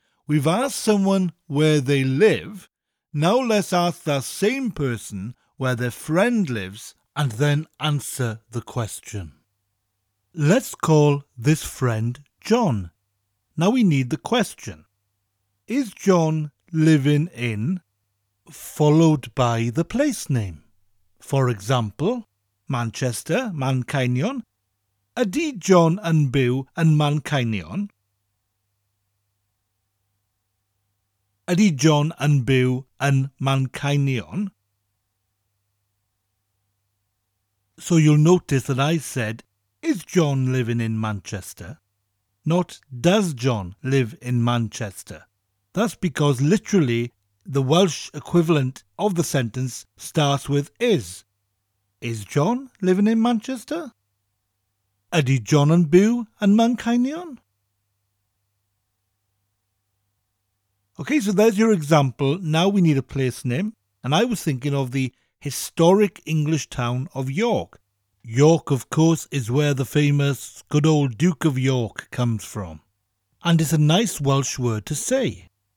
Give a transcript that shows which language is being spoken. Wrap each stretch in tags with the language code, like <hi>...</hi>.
<en>We've asked someone where they live. Now let's ask that same person where their friend lives and then answer the question. Let's call this friend John. Now we need the question. Is John living in, followed by the place name? For example, Manchester, Manceinion.</en> <cy>Ydy John yn byw yn Manceinion? Ydy John yn byw yn Manceinion?</cy> <en>So you'll notice that I said, is John living in Manchester? Not, does John live in Manchester? That's because literally the Welsh equivalent of the sentence starts with is. Is John living in Manchester?</en> <cy>Ydy John yn byw yn Manceinion?</cy> <en>Okay, so there's your example. Now we need a place name. And I was thinking of the historic English town of York. York, of course, is where the famous good old Duke of York comes from. And it's a nice Welsh word to say.</en>